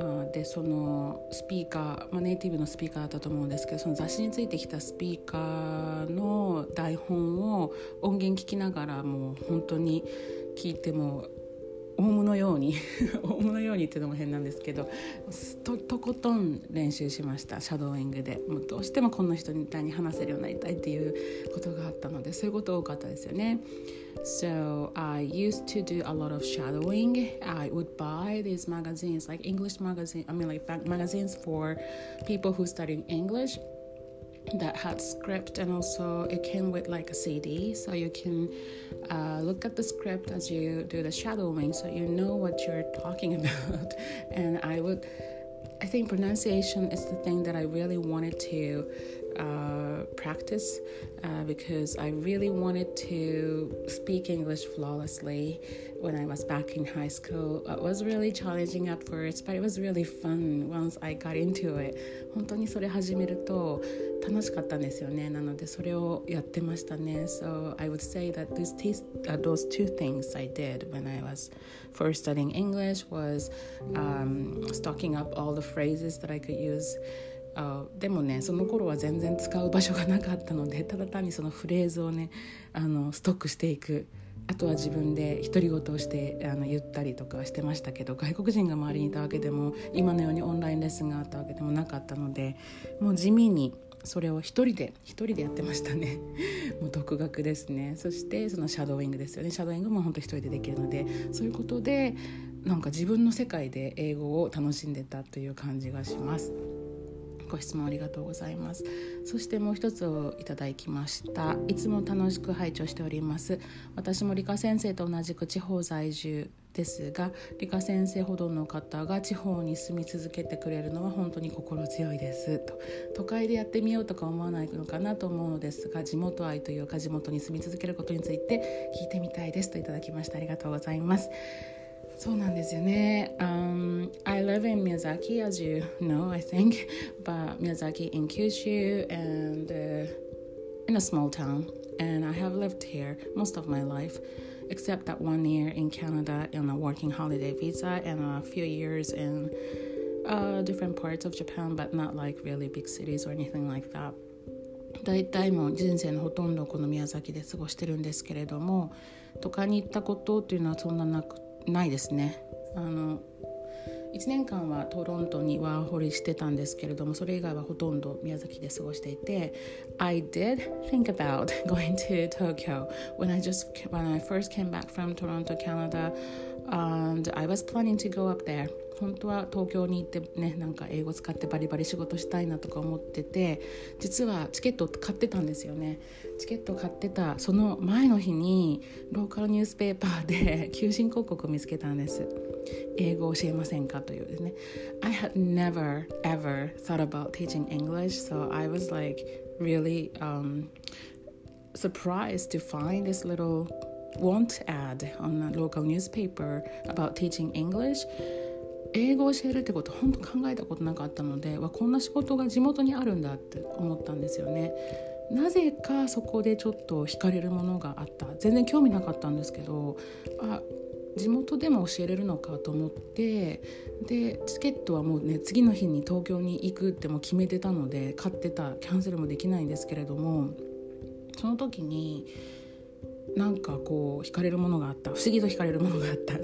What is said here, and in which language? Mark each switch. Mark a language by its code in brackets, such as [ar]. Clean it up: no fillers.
[ja] でそのスピーカー、ネイティブのスピーカーだったと思うんですけど、その雑誌についてきたスピーカーの台本を音源聞きながら、もう本当に聞いてもオウムのようにオウムのようにっていうのも変なんですけど、とことん練習しました、シャドーイングで。もうどうしてもこの人みたいに話せるようになりたいっていうことがあったので、そういうこと多かったですよね。 [en] So I used to do a lot of shadowing. I would buy these magazines, like English magazine, magazines for people who study English that had script, and also it came with like a CD, so you can look at the script as you do the shadowing, so you know what you're talking about. And I think pronunciation is the thing that I really wanted to practice, because I really wanted to speak English flawlessly when I was back in high school. It was really challenging at first, but it was really fun once I got into it. [ja] 本当にそれ始めると楽しかったんですよね。なのでそれをやってましたね。 [en] So I would say that those two things I did when I was first studying English was stocking up all the phrases that I could use. [ja] でもね、その頃は全然使う場所がなかったので、ただ単にそのフレーズをね、ストックしていく、あとは自分で独り言をして言ったりとかしてましたけど、外国人が周りにいたわけでも、今のようにオンラインレッスンがあったわけでもなかったので、もう地味にそれを一人でやってましたね。もう独学ですね。そしてそのシャドーイングですよね。シャドーイングも本当一人でできるので、そういうことでなんか自分の世界で英語を楽しんでたという感じがします。ご質問ありがとうございます。そしてもう一つをいただきました。いつも楽しく拝聴しております。私も理科先生と同じく地方在住ですが、理科先生ほどの方が地方に住み続けてくれるのは本当に心強いですと。都会でやってみようとか思わないのかなと思うのですが、地元愛というか地元に住み続けることについて聞いてみたいですといただきました。ありがとうございます。そうなんですよね。 [en] I live in Miyazaki, as you know, I think, but Miyazaki in Kyushu and in a small town, and I have lived here most of my life, except that 1 year in Canada on a working holiday visa, and a few years in different parts of Japan, but not like really big cities or anything like that. [ja] だいたいもう人生のほとんどこの宮崎で過ごしてるんですけれども、都会に行ったことっていうのはそんなな、ないですね。 1年間はトロントにワーホリしてたんですけれども、それ以外はほとんど宮崎で過ごしていて、 [en] I did think about going to Tokyo when I first came back from Toronto, Canada, and I was planning to go up there. [ja] 本当は東京に行ってね、なんか英語使ってバリバリ仕事したいなとか思ってて、実はチケット買ってたんですよね。チケット買ってたその前の日にローカルニュースペーパーで求人広告を見つけたんです。英語教えませんかというですね。 [en] I had never ever thought about teaching English, so I was like really surprised to find this little want ad on a local newspaper about teaching English. [ja] 英語を教えるってこと本当考えたことなかったので、わこんな仕事が地元にあるんだって思ったんですよね。なぜかそこでちょっと惹かれるものがあった。全然興味なかったんですけど、あ、地元でも教えれるのかと思って、でチケットはもうね、次の日に東京に行くっても決めてたので、買ってた、キャンセルもできないんですけれども、その時になんかこう惹かれるものがあった、不思議と惹かれるものがあった。